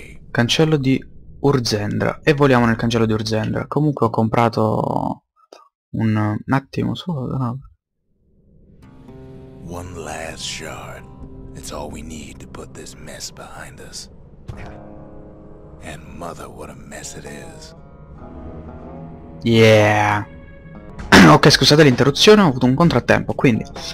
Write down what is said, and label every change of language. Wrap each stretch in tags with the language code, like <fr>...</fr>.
<it>Cancello di Urzendra. E voliamo nel cancello di Urzendra. Comunque ho comprato un attimo solo.</it> <en>One last shard. It's all we need to put this mess behind us. And mother, what a mess it is. Yeah.</en> <it>Ok, scusate l'interruzione, ho avuto un contrattempo, quindi.</it>